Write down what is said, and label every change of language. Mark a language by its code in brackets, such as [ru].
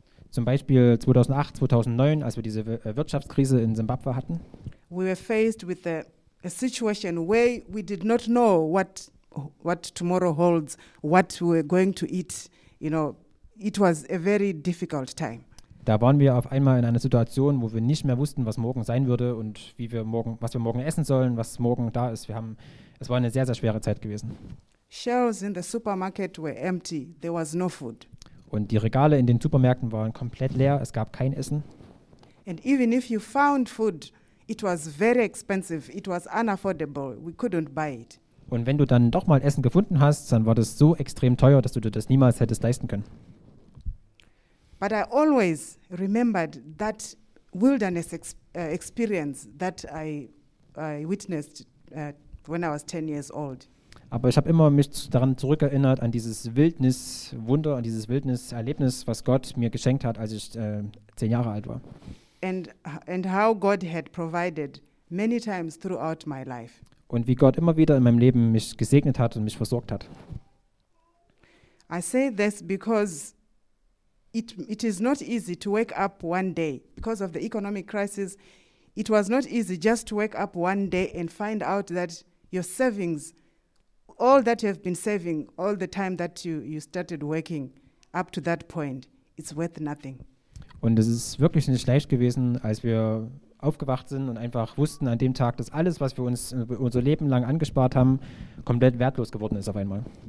[de] Zum Beispiel 2008, 2009, als wir diese Wirtschaftskrise in Zimbabwe hatten. [en] We were faced with a situation where we did not know what tomorrow holds, what we were going to eat, you know. It was a very difficult time. [de] Da waren wir auf einmal in einer Situation, wo wir nicht mehr wussten, was morgen sein würde und was wir morgen essen sollen, was morgen da ist. Es war eine sehr, sehr schwere Zeit gewesen. [en] Shelves in the supermarket were empty. There was no food. [de] Und die Regale in den Supermärkten waren komplett leer. Es gab kein Essen. [en] And even if you found food, it was very expensive. It was unaffordable. We couldn't buy it. [de] Und wenn du dann doch mal Essen gefunden hast, dann war das so extrem teuer, dass du dir das niemals hättest leisten können. [en] But I always remembered that wilderness experience that I witnessed when I was 10 years old. [de] Aber ich habe immer mich daran zurückerinnert, an dieses Wildniswunder, an dieses Wildniserlebnis, was Gott mir geschenkt hat, als ich 10 Jahre alt war. [en] And how God had provided many times throughout my life. [de] Und wie Gott immer wieder in meinem Leben mich gesegnet hat und mich versorgt hat. [en] I say this because it is not easy to wake up one day because of the economic crisis. It was not easy just to wake up one day and find out that your savings, all that you have been saving all the time that you started working up to that point, it's worth nothing. [de] Und es ist wirklich nicht leicht gewesen, als wir aufgewacht sind und einfach wussten an dem Tag, dass alles, was wir uns unser Leben lang angespart haben, komplett wertlos geworden ist auf einmal.